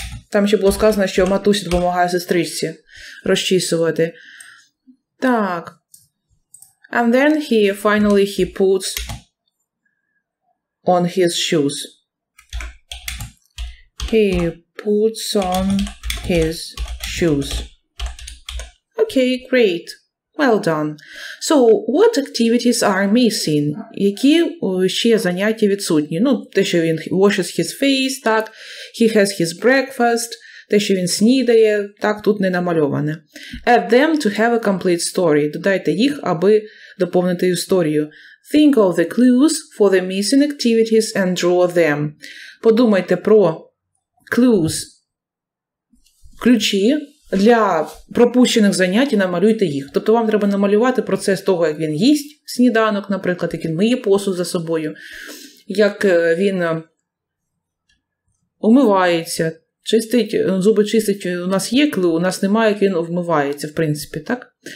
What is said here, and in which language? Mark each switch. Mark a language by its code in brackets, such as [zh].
[uk] Там ще було сказано, що матуся допомагає сестричці розчісувати. Так. [en] And then he finally puts on his shoes. He puts on his shoes. Okay, great. Well done. So, what activities are missing? [uk] Які ще заняття відсутні? Ну, те, що він [en] washes his face, [uk] так? [en] He has his breakfast. [uk] Те, що він снідає, так, тут не намальоване. [en] Add them to have a complete story. [uk] Додайте їх, аби доповнити історію. [en] Think of the clues for the missing activities and draw them. [uk] Подумайте про clues, ключі для пропущених занять і намалюйте їх. Тобто вам треба намалювати процес того, як він їсть сніданок, наприклад, як він миє посуд за собою, як він умивається, чистить, зуби чистить, у нас є клю, у нас немає, як він вмивається, в принципі, так?